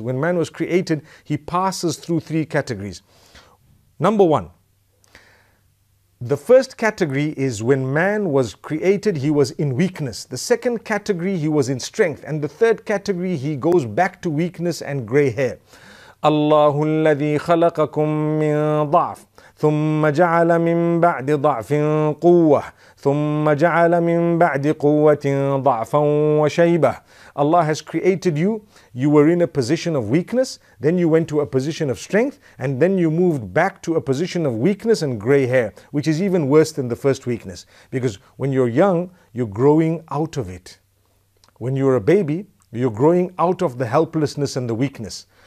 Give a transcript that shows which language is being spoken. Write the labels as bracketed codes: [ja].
[en] When man was created, he passes through three categories. Number one, the first category is when man was created, he was in weakness. The second category, he was in strength. And the third category, he goes back to weakness and gray hair. [ar] Allahu alladhi khalaqakum min da'f. ثُمَّ جَعَلَ مِن بَعْدِ ضَعْفٍ قُوَّةٍ ثُمَّ جَعَلَ مِن بَعْدِ قُوَّةٍ ضَعْفًا وَشَيْبَةٍ [en] Allah has created you. You were in a position of weakness. Then you went to a position of strength. And then you moved back to a position of weakness and gray hair, which is even worse than the first weakness. Because when you're young, you're growing out of it. When you're a baby, you're growing out of the helplessness and the weakness.